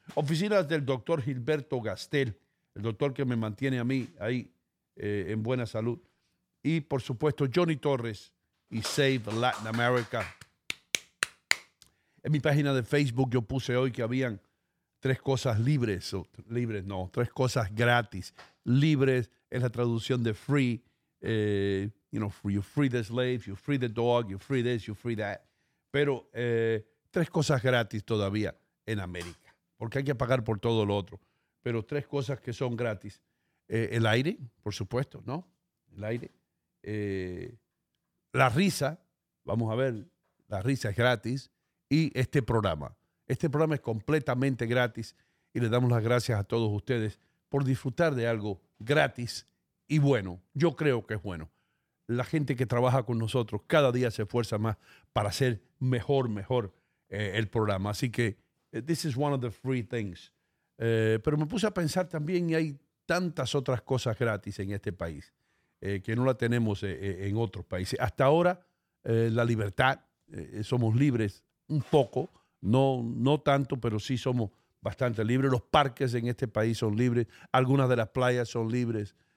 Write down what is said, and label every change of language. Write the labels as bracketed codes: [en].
[es] Oficinas del doctor Gilberto Gastel, el doctor que me mantiene a mí ahí en buena salud. Y, por supuesto, Johnny Torres y Save Latin America. En mi página de Facebook yo puse hoy que habían tres cosas libres. Tres cosas gratis. Libres es la traducción de free. [en] You free the slave, you free the dog, you free this, you free that. [es] Pero tres cosas gratis todavía en América. Porque hay que pagar por todo lo otro. Pero tres cosas que son gratis. El aire, por supuesto, ¿no? El aire. La risa. Vamos a ver. La risa es gratis. Y este programa. Este programa es completamente gratis. Y le damos las gracias a todos ustedes por disfrutar de algo gratis y bueno. Yo creo que es bueno. La gente que trabaja con nosotros cada día se esfuerza más para hacer mejor el programa. Así que [en] this is one of the free things. [es] Pero me puse a pensar también y hay tantas otras cosas gratis en este país que no la tenemos en otros países. Hasta ahora, la libertad, somos libres un poco, no tanto, pero sí somos bastante libres. Los parques en este país son libres, algunas de las playas son libres.